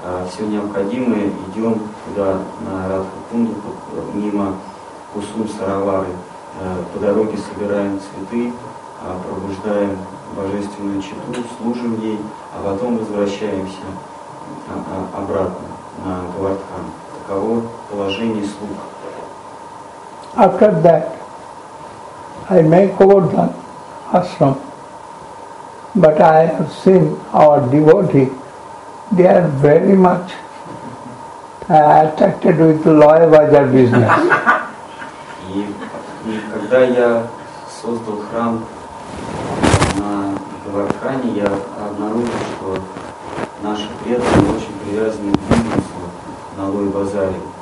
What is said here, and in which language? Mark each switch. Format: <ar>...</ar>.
<ru>Все необходимое, идем туда, на Радху Кунду, мимо Кусум Саравары. По дороге собираем цветы, пробуждаем божественную читу, служим ей, а потом возвращаемся обратно на Говардхан. Таково положение слуг.</ru> <en>After that, I make Govardhan ashram, but I have seen our devotee. They are very much attracted with loya bazar business.</en> <ru>И когда я создал храм на Говардхане, я обнаружил, что наши преданные очень привязаны к бизнесу на лой базаре.</ru>